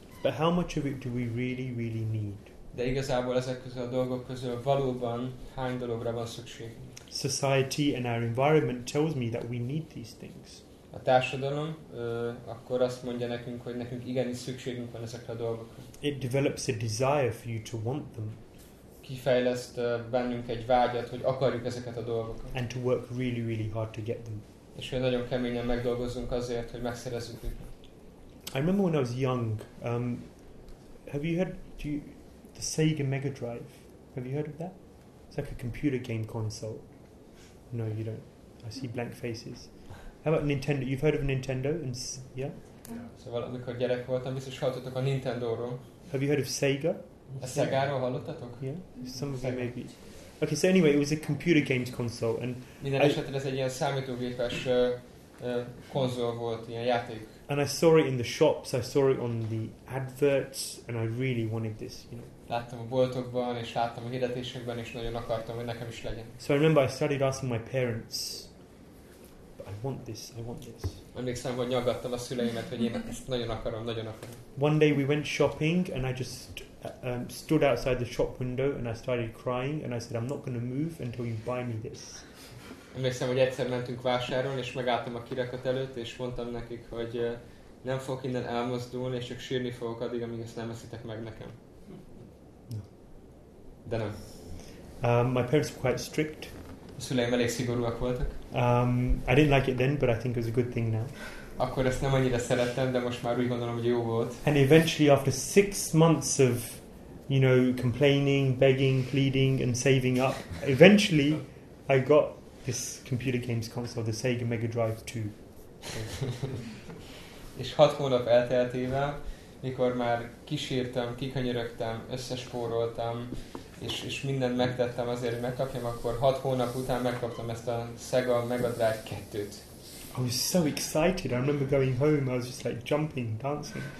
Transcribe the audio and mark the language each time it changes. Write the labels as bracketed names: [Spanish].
[English] But how much of it do we really, really need? [Hungarian] De igazából ezek közül a dolgok közül valóban hány dologra van szükség? [English] Society and our environment tells me that we need these things. [Hungarian] A társadalom akkor azt mondja nekünk, hogy nekünk igenis szükségünk van ezekre a dolgokra. [English] It develops a desire for you to want them. [Hungarian] Kifejleszt bennünk egy vágyat, hogy akarjuk ezeket a dolgokat. [English] And to work really, really hard to get them. [Hungarian] És hogy nagyon keményen megdolgozzunk azért, hogy megszerezzük őket. [English] I remember when I was young, Have you heard the Sega Mega Drive? Have you heard of that? It's like a computer game console. No, you don't. I see blank faces. How about Nintendo? You've heard of Nintendo? And yeah. [Hungarian] Szóval amikor gyerek voltam, biztos hallottatok a Nintendo-ról. [English] Have you heard of Sega? [Hungarian] A Sega-ról hallottatok? [English] Yeah, some of you maybe. Okay, so anyway, it was a computer games console, and [Hungarian] minden esetre ez egy ilyen számítógépes konzol volt, ilyen játék. [English] And I saw it in the shops, I saw it on the adverts, and I really wanted this, you know. [Hungarian] Láttam a boltokban, és láttam a hirdetésekben, és nagyon akartam, hogy nekem is legyen. [English] So I remember I started asking my parents, I want this, I want this. [Hungarian] Emlékszem, hogy nyaggattam a szüleimet, hogy én ezt nagyon akarom, nagyon akarom. [English] One day we went shopping, and I just stood outside the shop window, and I started crying, and I said, I'm not going to move until you buy me this. [Hungarian] Emlékszem, hogy egyszer mentünk vásárolni, és megálltam a kirakat előtt, és mondtam nekik, hogy nem fogok innen elmozdulni, és csak sírni fogok addig, amíg ezt nem veszitek meg nekem. [English] No. [Hungarian] De nem. [English] My parents were quite strict. [Hungarian] A szüleim elég szigorúak voltak. [English] I didn't like it then, but I think it was a good thing now. [Hungarian] Akkor ezt nem annyira szerettem, de most már úgy gondolom, hogy jó volt. [English] And eventually, after 6 months of, you know, complaining, begging, pleading, and saving up, eventually, I got this computer games console, the Sega Mega Drive 2. [Hungarian] És 6 hónap elteltével, mikor már kísértem, kikönyörögtem, összespóroltam, és mindent megtettem azért, hogy megkapjam, akkor 6 hónap után megkaptam ezt a Sega Mega Drive 2-t. [English] I was so excited. I remember going home, I was just like jumping, dancing.